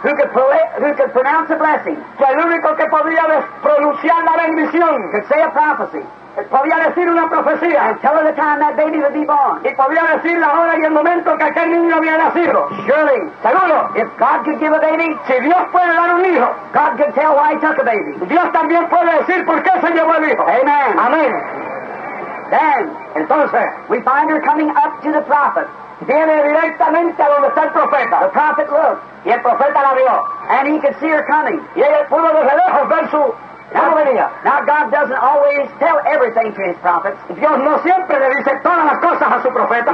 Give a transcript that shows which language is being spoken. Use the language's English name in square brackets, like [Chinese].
[English] Who could pronounce a blessing. [Spanish] Que el único que podría pronunciar la bendición. [English] Could say a prophecy. [Spanish] Podía decir una profecía. [English] And tell her the time that baby would be born. [Spanish] Y podía decir la hora y el momento que aquel niño había nacido. [English] Surely. [Spanish] Seguro. [English] If God could give a baby. [Spanish] Si Dios puede dar un hijo. [English] God could tell why he took a baby. [Spanish] Dios también puede decir por qué se llevó el hijo. [English] Amen. Amen. Then. [Spanish] Entonces. [English] We find her coming up to the prophet. [Spanish] Viene directamente a donde está el profeta. [English] The prophet looked. [Spanish] Y el profeta la vio. [English] And he could see her coming. [Spanish] Y ella pudo desde lejos ver su... [English] Now God doesn't always tell everything to his prophets. [Spanish] Dios no siempre le dice todas las cosas a su profeta.